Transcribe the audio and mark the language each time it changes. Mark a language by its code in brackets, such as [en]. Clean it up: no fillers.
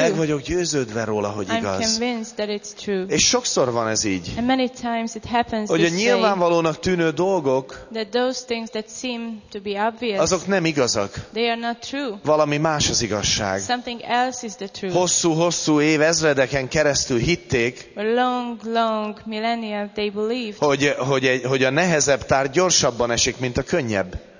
[hu] Meg vagyok győződve róla, hogy [en] I'm [hu] igaz. [en] Convinced that it's true. [hu] És sokszor van ez így. [en] And many times it happens [hu] hogy a nyilvánvalónak tűnő dolgok, [en] that those things that seem to be obvious, [hu] azok nem igazak. [en] They are not true. [hu] Valami más az igazság. [en] Something else is the truth. [hu] Hosszú-hosszú évezredeken keresztül hitték, [en] for long millennia they believed, [hu] hogy a nehezebb tár gyorsabban esik, mint a könnyebb.